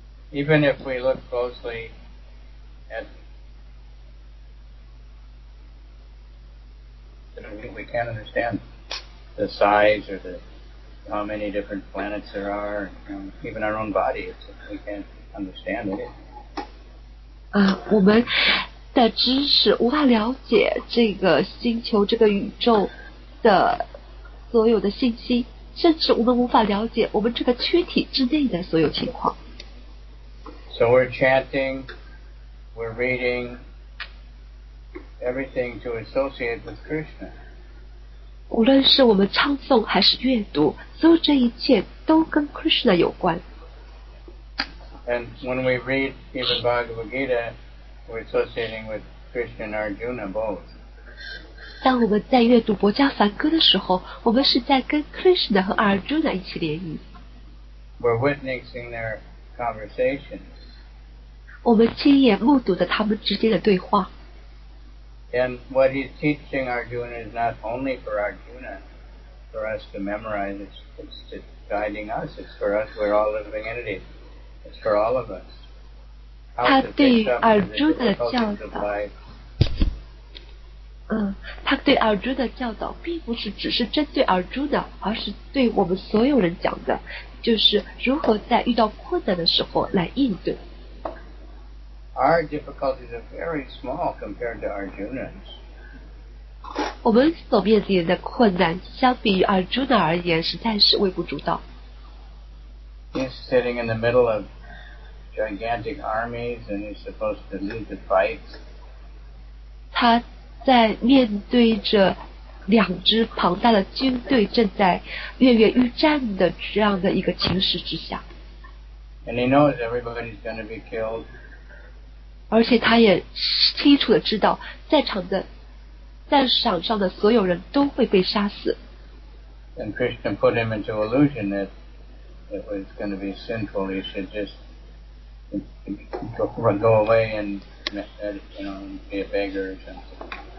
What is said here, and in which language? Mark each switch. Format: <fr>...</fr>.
<en>Even if we look closely at， we can't understand the size or the how many different planets there are, even our own body. We can't understand it.</en> <zh>我们的知识无法了解这个星球、这个宇宙的所有的信息，甚至我们无法了解我们这个躯体之内的所有情况。</zh> <en>So we're chanting, we're reading everything to associate with Krishna.</en> <zh>无论是我们唱诵还是阅读，所有这一切都跟 Krishna 有关。</zh> <en>And when we read even Bhagavad Gita, we're associating with Krishna and Arjuna both.</en> <zh>当我们在阅读薄伽梵歌的时候，我们是在跟 Krishna 和 Arjuna 一起联谊。</zh> <en>We're witnessing their conversations.</en> <zh>我们亲眼目睹的他们之间的对话。</zh> <en>And what he's teaching Arjuna is not only for Arjuna, for us to memorize, it's just guiding us, it's for us, we're all living entities, it's for all of us. How</en> <zh>他对 Arjuna 的教导他对 Arjuna 的教导并不是只是针对 Arjuna, 而是对我们所有人讲的，就是如何在遇到困难的时候来应对。</zh> <en>Our difficulties are very small compared to Arjuna's.</en> <zh>我们所面临的困难相比于 Arjuna 而言实在是微不足道。</zh> <en>He's sitting in the middle of gigantic armies and he's supposed to lead the fight.</en> <zh>他在面对着两支庞大的军队正在跃跃欲战的这样的一个情势之下。</zh> <en>And he knows everybody's going to be killed.</en> <zh>而且他也清楚地知道在场上的所有人都会被杀死。</zh> <en>And Krishna put him into illusion that it was going to be sinful. He should just go away and, you know, be a beggar or something.</en>